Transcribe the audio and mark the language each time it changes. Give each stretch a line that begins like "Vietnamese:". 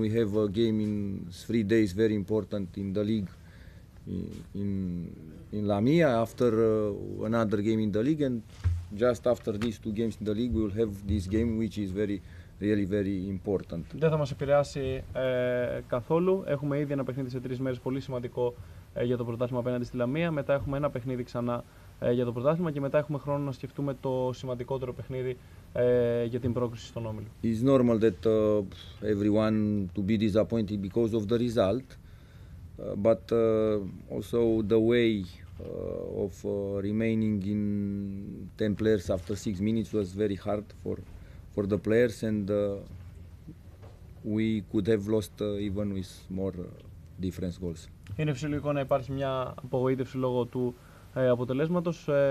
English: We have a game in 3 days, very important in the league, in Lamia, after another game in the league, and just after these 2 games in the league, we'll have this game, which is very, really very important.
Greek: Δεν θα μας επηρεάσει καθόλου. Έχουμε ήδη ένα παιχνίδι σε 3 μέρες, πολύ σημαντικό για το πρωτάθλημα απέναντι στη Λαμία. Μετά έχουμε ένα παιχνίδι ξανά για το πρωτάθλημα και μετά έχουμε χρόνο να σκεφτούμε το σημαντικότερο παιχνίδι για την πρόκριση στον Όμιλο.
English: It's normal that everyone to be disappointed because of the result, but also the way of remaining in 10 players after 6 minutes was very hard for the players, and we could have lost even with more difference goals.
Greek: Είναι φυσιολογικό να υπάρχει μια απογοήτευση λόγω του αποτελέσματος.